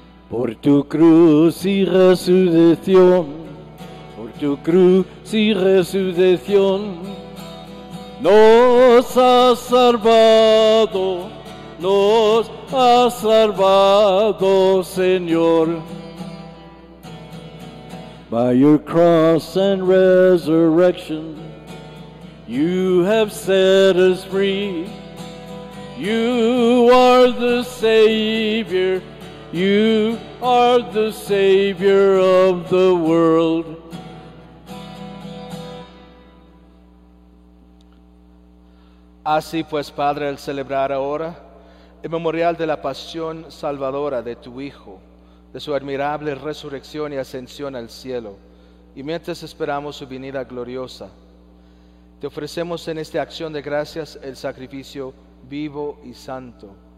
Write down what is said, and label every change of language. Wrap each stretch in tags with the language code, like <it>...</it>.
<es>Por tu cruz y resurrección, por tu cruz y resurrección, nos has salvado, nos has salvado, Señor.</es> <en>By your cross and resurrection, you have set us free. You are the Savior, you are the Savior of the world.</en> <es>Así pues, Padre, al celebrar ahora el memorial de la pasión salvadora de tu Hijo, de su admirable resurrección y ascensión al cielo, y mientras esperamos su venida gloriosa, te ofrecemos en esta acción de gracias el sacrificio vivo y santo.</es>